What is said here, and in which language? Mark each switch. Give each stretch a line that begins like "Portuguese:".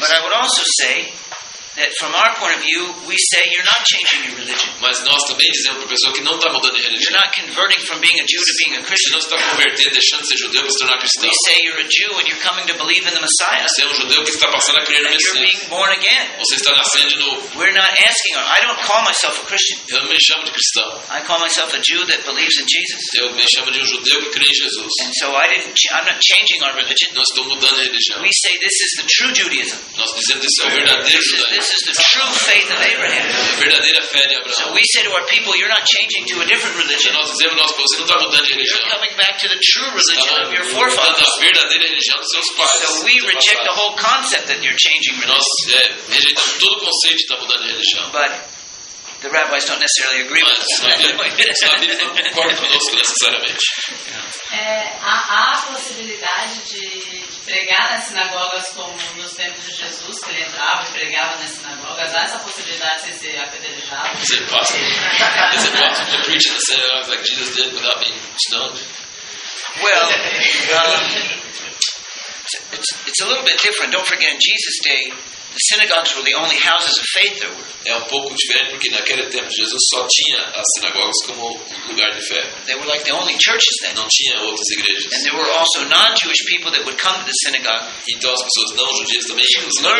English: But I would also say that from our point of view, we say you're not changing your religion.
Portuguese: Mas nós também dizemos para a pessoa que não está mudando de religião.
English: You're not converting from being a Jew to being a Christian.
Portuguese: Você não está convertendo, deixando de ser judeu para se tornar cristão.
English: We say you're a Jew and you're coming to believe in the Messiah.
Portuguese: Você é judeu que está passando a crer no Messias.
English: You're being born again.
Portuguese: Você está nascendo de novo.
English: We're not asking. I don't call myself a Christian.
Portuguese: Eu não me chamo de cristão.
English: I call myself a Jew that believes in Jesus.
Portuguese: Eu me chamo de judeu que crê em Jesus.
English: And so I'm not changing our religion.
Portuguese: Nós estamos mudando de religião.
English: We say this is the true Judaism.
Portuguese: Nós dizemos isso é o verdadeiro judaísmo.
English: This is the true faith of Abraham.
Portuguese: A verdadeira fé de Abraão.
English: So we say to our people, you're not changing to a different religion.
Portuguese: Nós dizemos aos povos, você não está mudando de religião.
English: You're coming back to the true religion of your forefathers.
Portuguese: Está mudando a verdadeira religião dos seus pais.
English: So we reject the whole concept that you're changing religion.
Portuguese: Nós rejeitamos todo o conceito de estar mudando de religião.
English: But the rabbis don't necessarily agree with us.
Portuguese: Os rabinos não concordam conosco necessariamente. Há a possibilidade de pregar nas sinagogas como nos tempos de Jesus, que ele entrava e pregava nas sinagogas? Há essa possibilidade de ser apedrejado?
English: Is it possible? Is it possible to preach in the synagogues like Jesus did without being stoned? Well, it's a little bit different. Don't forget, in Jesus' day, the synagogues were the only houses of faith there were.
Portuguese: É um pouco diferente porque naquele tempo Jesus só tinha as sinagogas como lugar de fé.
English: They were like the only churches then.
Portuguese: Não tinha outras igrejas.
English: And there were also non-Jewish people that would come to the synagogue.
Portuguese: Então as pessoas não judias também iam à sinagoga.